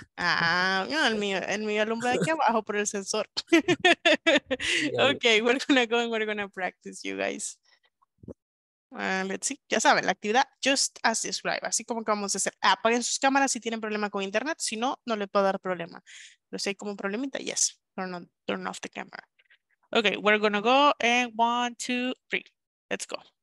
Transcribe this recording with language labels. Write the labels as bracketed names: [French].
[Spanish] Ah, no, el mío alumbra aquí abajo por el sensor. [English] Okay, we're gonna go and we're gonna practice, you guys. Let's see, [Spanish] ya saben, la actividad [English] just as described, [Spanish] así como que vamos a hacer. Apaguen sus cámaras si tienen problema con internet, si no, no les puedo dar problema. Pero si hay como un problemita, [English] yes, turn off the camera. Okay, we're gonna go and 1, 2, 3, let's go.